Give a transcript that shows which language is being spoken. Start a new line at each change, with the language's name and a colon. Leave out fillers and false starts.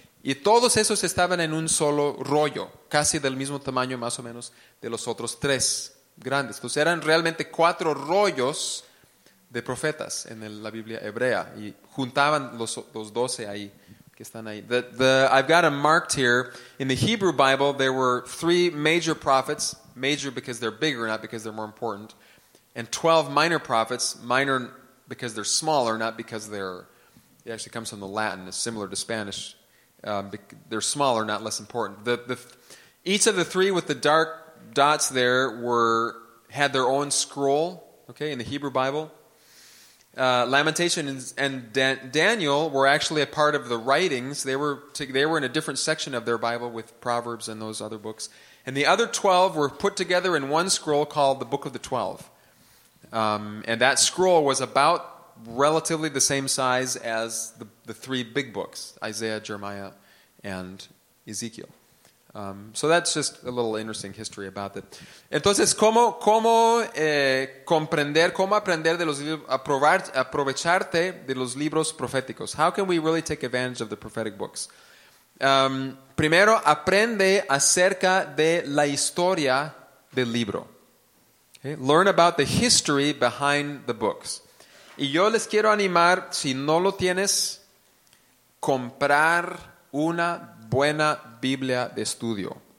Spanish: Y todos esos estaban en un solo rollo, casi del mismo tamaño más o menos de los otros tres grandes. Entonces eran realmente 4 rollos de profetas en la Biblia hebrea y juntaban los 12 ahí que están ahí.
English: I've got them marked here. In the Hebrew Bible, there were 3 major prophets, major because they're bigger, not because they're more important, and 12 minor prophets, minor because they're smaller, not because it actually comes from the Latin, it's similar to Spanish. They're smaller, not less important. Each of the 3 with the dark dots there had their own scroll, okay, in the Hebrew Bible. Lamentations and Daniel were actually a part of the writings. They were in a different section of their Bible with Proverbs and those other books. And the other 12 were put together in one scroll called the Book of the 12. And that scroll was about relatively the same size as the 3 big books, Isaiah, Jeremiah, and Ezekiel. So that's just a little interesting history about it.
Spanish: Entonces, ¿cómo aprender de los libros, aprovecharte de los libros proféticos?
English: How can we really take advantage of the prophetic books?
Spanish: Primero, aprende acerca de la historia del libro. Okay?
English: Learn about the history behind the books.
Spanish: Y yo les quiero animar, si no lo tienes, comprar una buena Biblia de estudio.